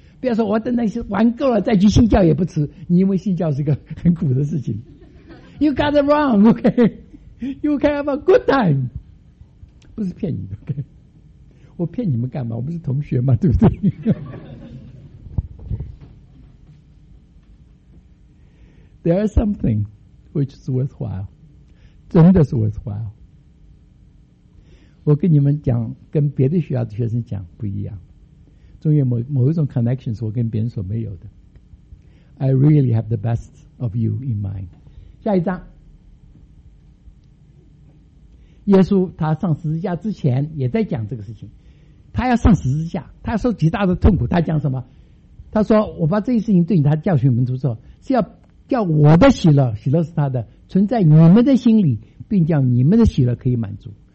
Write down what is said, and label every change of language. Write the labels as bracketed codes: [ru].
[zh] 不要说我等那些玩够了再去信教也不迟，你因为信教是一个很苦的事情。 [en] You got it wrong, OK? You can have a good time, [zh] 不是骗你的 [en] OK? [zh] 我骗你们干嘛？我们是同学嘛，对不对？ [en] There is something which is worthwhile, [zh] 真的是 [en] worthwhile。 [zh] 我跟你们讲，跟别的学校的学生讲不一样，终于某一种 connection 是我跟别人所没有的。 [en] I really have the best of you in mind。 [zh] 下一章，耶稣他上十字架之前也在讲这个事情，他要上十字架，他要受极大的痛苦。他讲什么？他说我把这些事情对你，他教训门徒说是要叫我的喜乐，喜乐是他的存在你们的心里，并叫你们的喜乐可以满足。